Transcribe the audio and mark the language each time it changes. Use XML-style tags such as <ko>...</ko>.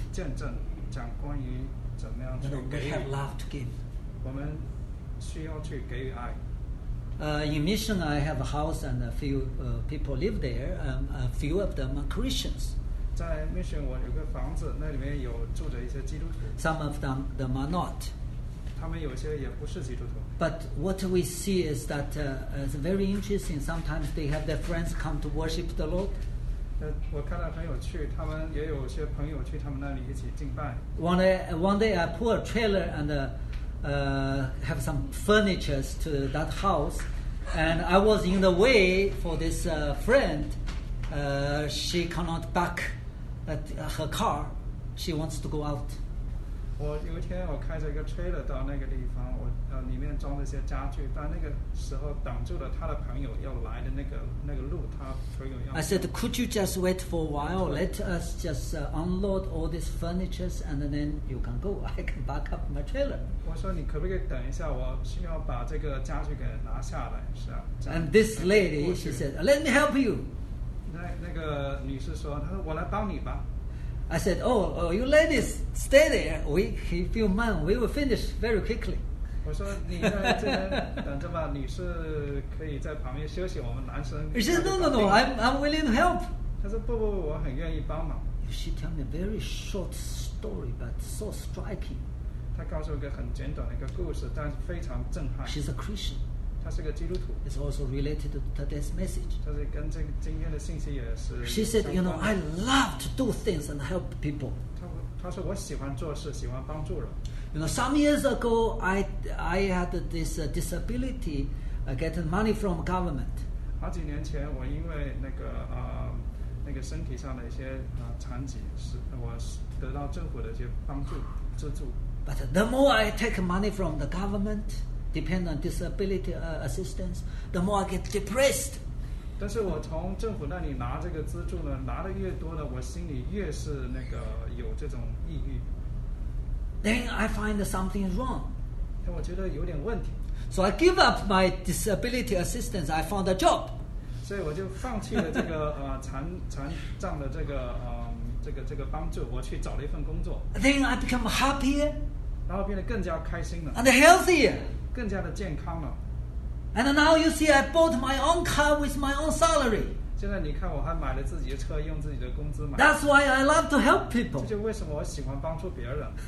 <zh>见证，讲关于怎么样去给予。</zh> <en>We have love to give.</en> <zh>我们需要去给予爱。</zh> <en>In mission, I have a house and a few people live there. A few of them are Christians.</en> <zh>在 mission, 我有个房子，那里面有住着一些基督徒。</zh> <en>Some of them are not.</en> <zh>他们有些也不是基督徒。</zh> <en>But what we see is that it's very interesting. Sometimes they have their friends come to worship the Lord.</en> <zh>我看到很有趣，他们也有些朋友去他们那里一起敬拜。</zh> <en>One day, I pull a trailer and have some furnitures to that house, and I was in the way for this friend. She cannot back her car. She wants to go out.</en> <zh>我有一天我开着一个 trailer 到那个地方，我里面装了一些家具，但那个时候挡住了他的朋友要来的那个路，他朋友要。</zh> <en>I said, could you just wait for a while? Let us just unload all these furnitures, and then you can go. I can back up my trailer.</en> <zh>我说你可不可以等一下？我需要把这个家具给拿下来，是啊。</zh> <en>And this lady, she said, let me help you.</en> <zh>那个女士说，她说我来帮你吧。</zh> <en>I said, oh, you ladies, stay there. We, if you mind, we will finish very quickly.</en> <zh>我说你在这边等着吧，女士可以在旁边休息，我们男生。</zh> <en>He said, no, I'm willing to help.</en> <zh>他说不不，我很愿意帮忙。</zh> <en>She told me a very short story, but so striking.</en> <zh>他告诉我一个很简短的一个故事，但是非常震撼。</zh> <en>She's a Christian.</en> <zh>她是个基督徒。</zh> <en>It's also related to today's message.</en> <zh>就是跟这个今天的信息也是。</zh> <en>She said, you know, I love to do things and help people.</en> <zh>她说我喜欢做事，喜欢帮助人。</zh> <en>You know, some years ago, I had this disability, getting money from government.</en> <zh>好几年前，我因为那个那个身体上的一些残疾，我得到政府的一些帮助资助。</zh> <en>But the more I take money from the government, depend on disability assistance, the more I get depressed.</en> <zh>但是我从政府那里拿这个资助呢，拿的越多呢，我心里越是那个有这种抑郁。</zh> <en>Then I find something wrong.</en> <zh>但我觉得有点问题。</zh> <en>So I give up my disability assistance. I found a job.</en> <zh>所以我就放弃了这个残障的这个这个帮助，我去找了一份工作。</zh> <en>Then I become happier.</en> <zh>然后变得更加开心了。</zh> <en>And healthier.</en> <zh>更加的健康了。</zh> <en>And now you see, I bought my own car with my own salary.</en> <zh>现在你看，我还买了自己的车，用自己的工资买。</zh> <en>That's why I love to help people.</en> <zh>这就为什么我喜欢帮助别人。</zh>